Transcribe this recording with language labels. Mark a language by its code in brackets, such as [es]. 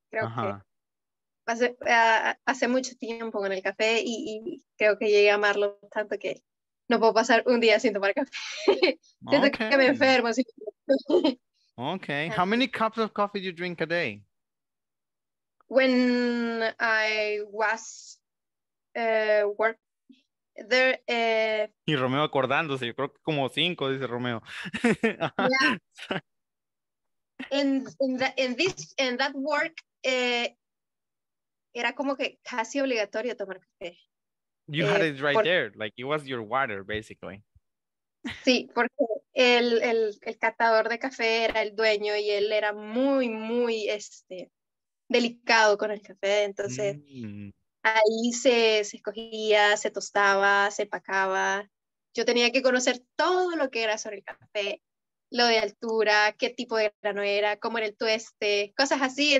[es] Creo que hace mucho tiempo con el café y creo que llegué a amarlo tanto que no puedo pasar un día sin tomar café. Siento okay. que me enfermo. Así. Okay. [en] How many cups of coffee do you drink a day? When I was work there. [es] Y Romeo acordándose, yo creo que como cinco, dice Romeo. [en] in that work, [es] era como que casi obligatorio tomar café. [en] You had it right there, like it was your water, basically. [es] Sí, porque el catador de café era el dueño y él era muy, muy delicado con el café, entonces. Ahí se escogía, se tostaba, se empacaba. Yo tenía que conocer todo lo que era sobre el café. Lo de altura, qué tipo de grano era, cómo era el tueste, cosas así.